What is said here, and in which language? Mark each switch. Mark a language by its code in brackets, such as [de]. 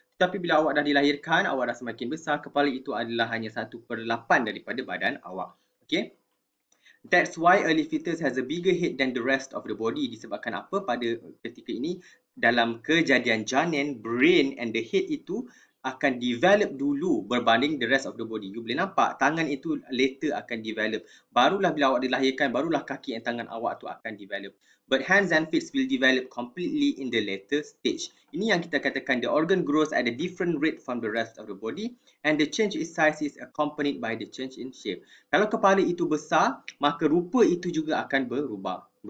[ms] Tapi bila awak dah dilahirkan, awak dah semakin besar, kepala itu adalah hanya 1/8 daripada badan awak. [en] Okay. That's why early fetus has a bigger head than the rest of the body. [ms] Disebabkan apa? Pada ketika ini, dalam kejadian janin, [en] brain and the head [ms] itu akan develop dulu berbanding [en] the rest of the body. [ms] You boleh nampak tangan itu later akan develop. Barulah bila awak dilahirkan, barulah kaki dan tangan awak tu akan develop. [en] But hands and feet will develop completely in the later stage. [ms] Ini yang kita katakan [en] the organ grows at a different rate from the rest of the body and the change in size is accompanied by the change in shape. [ms] Kalau kepala itu besar, maka rupa itu juga akan berubah.